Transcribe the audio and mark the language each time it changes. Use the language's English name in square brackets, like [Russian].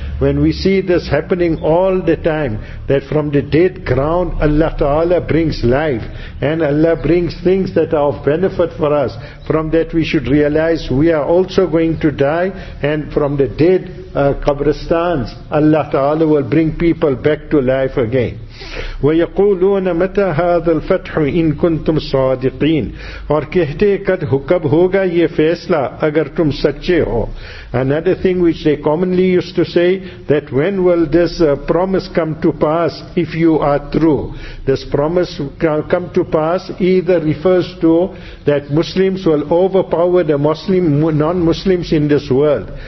[English] When we see this happening all the time, that from the dead ground Allah Ta'ala brings life and Allah brings things that are of benefit for us, from that we should realize we are also going to die, and from the dead qabristans Allah Ta'ala will bring people back to life again. [Arabic] وَيَقُولُونَ مَتَى هَذَا الْفَتْحُ إِن كُنْتُمْ صَادِقِينَ [Urdu] اور کہتے کب ہوگا یہ فیصلہ اگر تم سچے ہو. [English] Another thing which they commonly used to say, that when will this promise come to pass if you are true. This promise come to pass either refers to that Muslims will overpower the Muslim non-Muslims in this world.